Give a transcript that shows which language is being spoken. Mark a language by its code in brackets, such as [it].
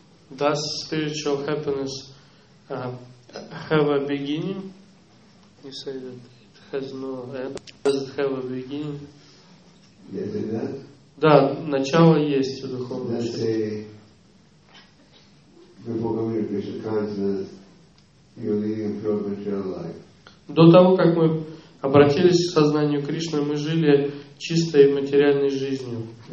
[en] Does spiritual happiness have a beginning? You say that it has no end. Does it have a beginning? Yes, it does. [ru] Да, начало есть у духовного счастья. [en] Before coming to Krishna consciousness, you're leading a pure material life. [ru] До того, как мы обратились к сознанию Кришны, мы жили чистой материальной жизнью.